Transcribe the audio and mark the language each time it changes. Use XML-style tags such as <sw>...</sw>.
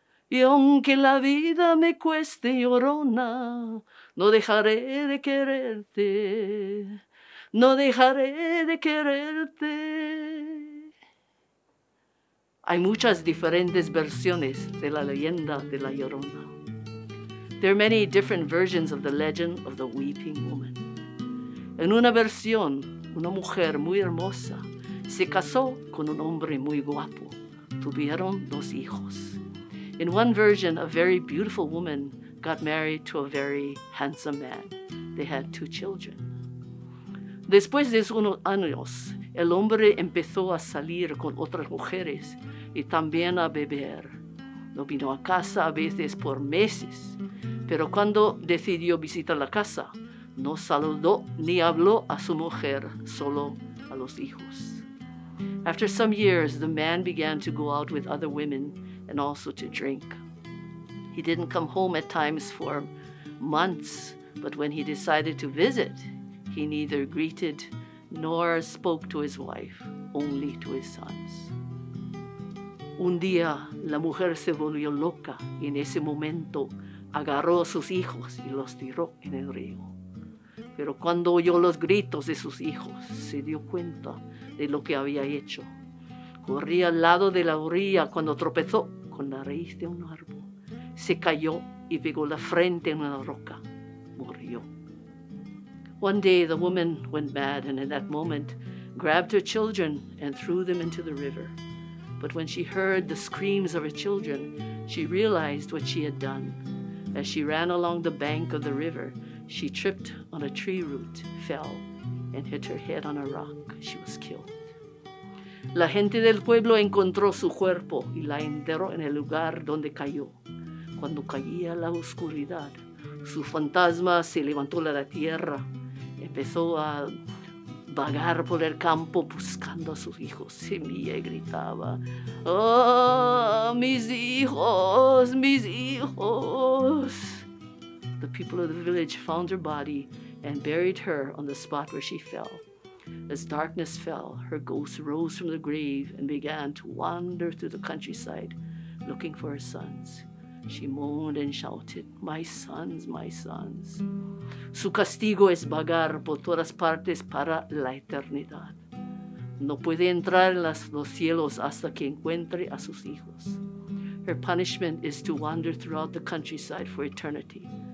<es>Y aunque la vida me cueste, llorona, no dejaré de quererte, no dejaré de quererte. Hay muchas diferentes versiones de la leyenda de la llorona. There are many different versions of the legend of the weeping woman. En una versión, una mujer muy hermosa se casó con un hombre muy guapo. Tuvieron 2 hijos.</es> <en>In one version, a very beautiful woman got married to a very handsome man. They had 2 children.</en> <es>Después de unos años, el hombre empezó a salir con otras mujeres y también a beber. No vino a casa a veces por meses, pero cuando decidió visitar la casa, no saludó ni habló a su mujer, solo a los hijos.</es> <en>After some years, the man began to go out with other women and also to drink. He didn't come home at times for months, but when he decided to visit, he neither greeted nor spoke to his wife, only to his sons.</en> <es>Un día, la mujer se volvió loca y en ese momento agarró a sus hijos y los tiró en el río. Pero cuando oyó los gritos de sus hijos, se dio cuenta de lo que había hecho. Corría al lado de la orilla cuando tropezó con la raíz de un árbol. Se cayó y pegó la frente en una roca. Murió.</es> <en>One day the woman went mad and in that moment grabbed her children and threw them into the river. But when she heard the screams of her children, she realized what she had done. As she ran along the bank of the river, she tripped on a tree root, fell, and hit her head on a rock. She was killed.</en> <es>La gente del pueblo encontró su cuerpo y la enterró en el lugar donde cayó. Cuando caía la oscuridad, su fantasma se levantó de la tierra. Empezó a vagar por el campo buscando a sus hijos. Semilla y gritaba, ¡oh, mis hijos, mis hijos!</es> <en>The people of the village found her body and buried her on the spot where she fell. As darkness fell, her ghost rose from the grave and began to wander through the countryside looking for her sons. She moaned and shouted, my sons, my sons.</en> <es>Su castigo es vagar por todas partes para la eternidad. No puede entrar en los cielos hasta que encuentre a sus hijos.</es> <en>Her punishment is to wander throughout the countryside for eternity.</en>